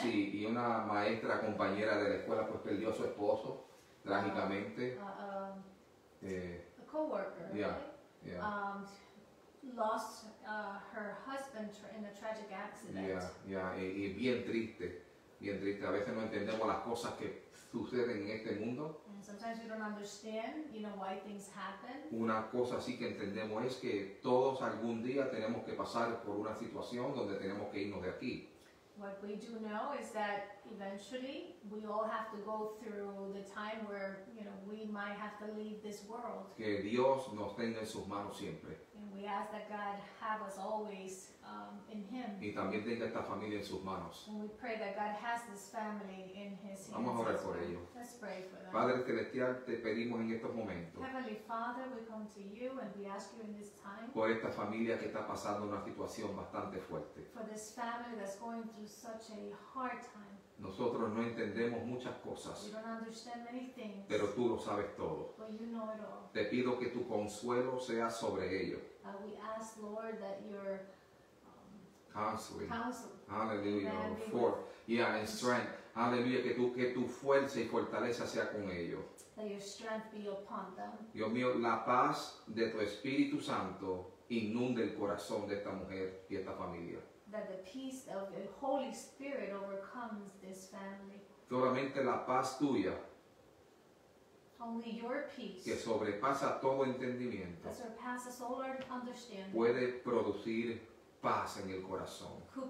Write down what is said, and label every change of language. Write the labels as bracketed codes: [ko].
[es] Sí, y una maestra compañera de la escuela pues perdió a su esposo, trágicamente. [en] A co-worker, yeah, right? Yeah. Lost her husband in a tragic accident. [es] Yeah, yeah, y bien triste. A veces no entendemos las cosas que suceden en este mundo. [en] And sometimes we don't understand, you know, why things happen. [es] Una cosa sí que entendemos es que todos algún día tenemos que pasar por una situación donde tenemos que irnos de aquí. [en] What we do know is that eventually we all have to go through the time where, you know, we might have to leave this world. [es] Que Dios nos tenga en sus manos siempre. [en] And we ask that God have us always in him. [es] Y también tenga esta familia en sus manos. [en] And we pray that God has this family in his hands. [es] Vamos a orar por ello. [en] Let's pray for them. [es] Padre celestial, te pedimos en estos momentos. [en] Heavenly Father, we come to you and we ask you in this time. [es] Por esta familia que está pasando una situación bastante fuerte. [en] For this family that's going through such a hard time. [es] Nosotros no entendemos muchas cosas, [en] we don't understand many things, [es] pero tú lo sabes todo. [en] But you know it all. [es] Te pido que tu consuelo sea sobre ellos. [en] We ask, Lord, that your counsel, and strength, [es] hallelujah, que tu fuerza y fortaleza sea con ellos. [en] That your strength be upon them. [es] Dios mío, la paz de tu Espíritu Santo inunde el corazón de esta mujer y esta familia. [en] That the peace of the Holy Spirit overcomes this family. [es] Solamente la paz tuya. [en] Only your peace. [es] Que sobrepasa todo entendimiento. [en] That surpasses all our understanding. [es] Puede producir paz en el corazón.